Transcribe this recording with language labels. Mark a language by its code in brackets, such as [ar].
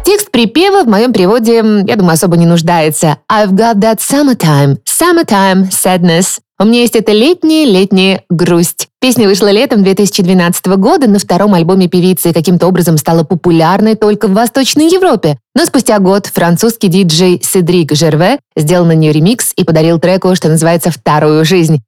[ru] Припева в моем переводе, я думаю, особо не нуждается. [en] I've got that summertime sadness. [ru] У меня есть эта летняя грусть. Песня вышла летом 2012 года, на втором альбоме певицы каким-то образом стала популярной только в Восточной Европе. Но спустя год французский диджей Седрик Жерве сделал на нее ремикс и подарил треку, что называется, «Вторую жизнь».